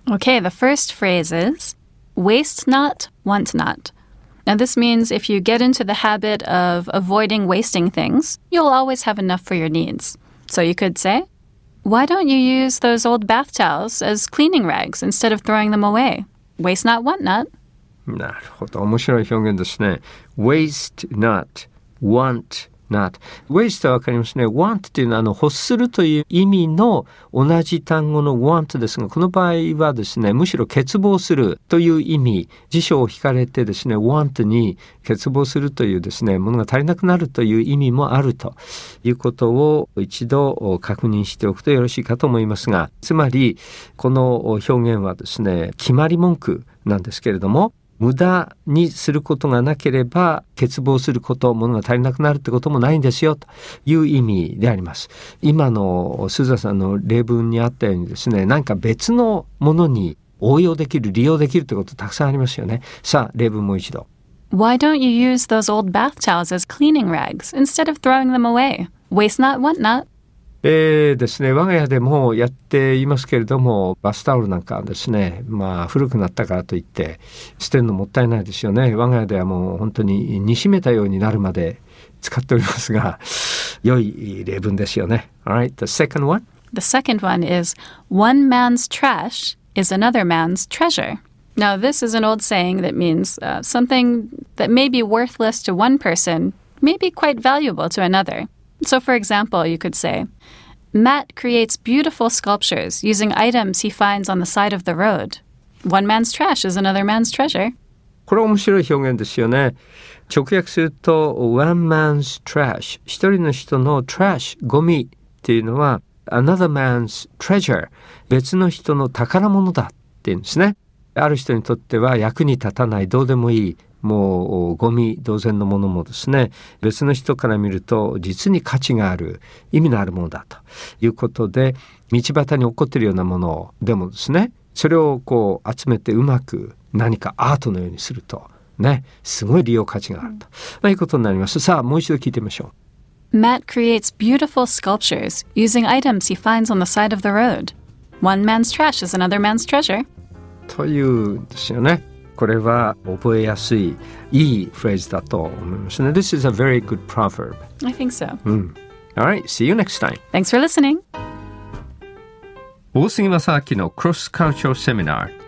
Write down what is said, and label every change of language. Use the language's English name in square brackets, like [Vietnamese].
[English] Okay, the first phrase is, waste not, want not. Now this means if you get into the habit of avoiding wasting things, you'll always have enough for your needs. So you could say, why don't you use those old bath towels as cleaning rags instead of throwing them away? Waste not, want not. [Japanese] なるほど、面白い表現ですね。 [English] waste not, want not。 [Japanese] waste は分かりますね。 want っていうのは欲するという意味の同じ単語の want ですが、この場合はですね、むしろ欠乏するという意味、辞書を引かれてですね、 want に欠乏するというですね、ものが足りなくなるという意味もあるということを一度確認しておくとよろしいかと思いますが、つまりこの表現はですね、決まり文句なんですけれども、無駄にすることがなければ欠乏すること、物が足りなくなるってこともないんですよという意味であります。今の鈴田さんの例文にあったようにですね、何か別のものに応用できる、利用できるってことたくさんありますよね。さあ例文もう一度。 [English] Why don't you use those old bath towels as cleaning rags instead of throwing them away? Waste not, want not. [Japanese] ですね、我が家でもやっていますけれども、バスタオルなんかはですね、まあ古くなったからといって捨てるのもったいないですよね。我が家ではもう本当に煮しめたようになるまで使っておりますが、良い例文ですよね。 [English] Alright, the second one? The second one is, one man's trash is another man's treasure. Now this is an old saying that means something that may be worthless to one person may be quite valuable to another. So, for example, you could say, Matt creates beautiful sculptures using items he finds on the side of the road. One man's trash is another man's treasure. [Japanese] これは面白い表現ですよね。直訳すると、 [English] One man's trash、 [Japanese] 一人の人の trash、ゴミっていうのは、 [English] Another man's treasure、 [Japanese] 別の人の宝物だっていうんですね。ある人にとっては役に立たない、どうでもいい、もうゴミ同然のものもですね、別の人から見ると実に価値がある、意味のあるものだということで、道端に落っこっているようなものでもですね、それをこう集めてうまく何かアートのようにするとね、すごい利用価値があると、まあ、いうことになります。さあもう一度聞いてみましょう。 [English] Matt creates beautiful sculptures using items he finds on the side of the road. One man's trash is another man's treasure. [Japanese] というですよね。これは覚えやすい、いいフレーズだと思いますね。 [English] This is a very good proverb. I think so.、 All right, see you next time. Thanks for listening. [Japanese] 大杉正明のクロスカルチャーセミナー。